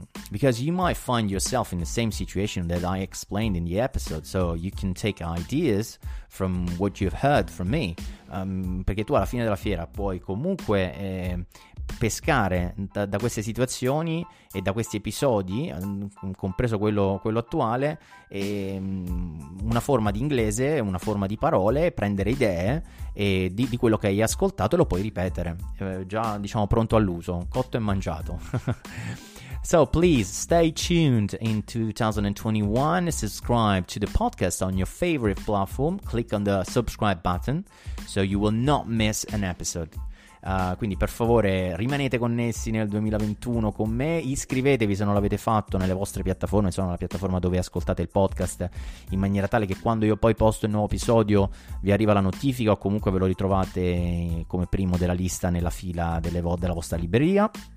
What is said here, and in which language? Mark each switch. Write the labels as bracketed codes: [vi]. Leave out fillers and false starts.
[en] Because you might find yourself in the same situation that I explained in the episode, so you can take ideas from what you've heard from me. [it] Perché tu alla fine della fiera puoi comunque pescare da queste situazioni e da questi episodi, compreso quello attuale, e una forma di inglese, una forma di parole, prendere idee e di quello che hai ascoltato e lo puoi ripetere, già, diciamo, pronto all'uso, cotto e mangiato. [en] So please stay tuned in 2021, subscribe to the podcast on your favorite platform, click on the subscribe button so you will not miss an episode. [it] Quindi per favore rimanete connessi nel 2021 con me, iscrivetevi se non l'avete fatto nelle vostre piattaforme, sono la piattaforma dove ascoltate il podcast, in maniera tale che quando io poi posto il nuovo episodio vi arriva la notifica o comunque ve lo ritrovate come primo della lista nella fila della vostra libreria.